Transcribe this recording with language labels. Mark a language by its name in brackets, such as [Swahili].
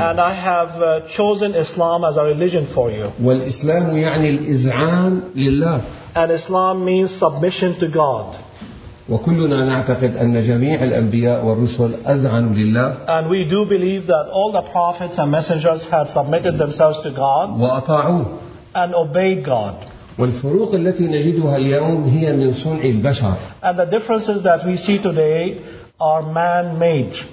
[English] And I have chosen Islam as a religion for you. [Arabic] والإسلام يعني الإذعان لله. [English] And Islam means submission to God. [Arabic] وكلنا نعتقد أن جميع الأنبياء والرسل أذعنوا لله. [English] And we do believe that all the prophets and messengers had submitted themselves to God. [Arabic] وأطاعوه. [English] And obeyed God. [Arabic] والفروق التي نجدها اليوم هي من صنع البشر. [English] And the differences that we see today are man-made.